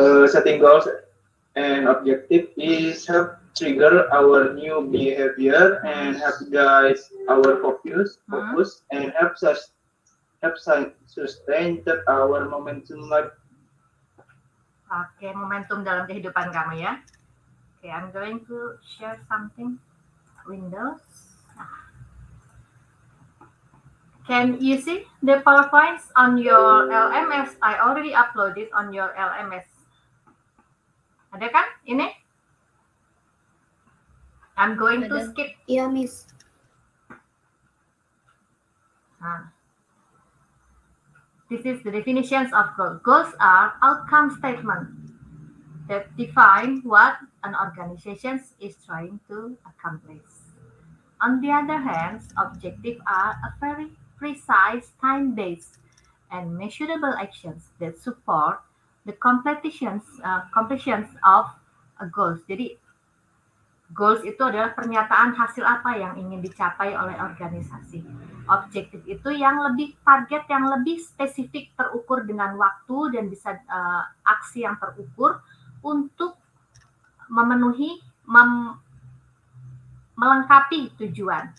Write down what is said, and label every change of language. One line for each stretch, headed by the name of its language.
English: Setting goals and objective is help trigger our new behavior and help guide our focus and help sustain that our momentum life.
Indonesian: Okay, momentum dalam kehidupan kamu ya.
English: Okay, I'm going to share something. Windows. Can you see the PowerPoints on your LMS? I already uploaded on your LMS.
Indonesian: Ada kan? Ini?
English: I'm going to skip.
Indonesian: Iya, Miss.
English: This is the definitions of goals. Goals are outcome statement that define what an organization is trying to accomplish. On the other hand, objectives are a very precise, time-based, and measurable actions that support the completion of a goal.
Indonesian: Jadi, goals itu adalah pernyataan hasil apa yang ingin dicapai oleh organisasi. Objektif itu yang lebih target, yang lebih spesifik, terukur dengan waktu dan bisa aksi yang terukur untuk memenuhi, melengkapi tujuan.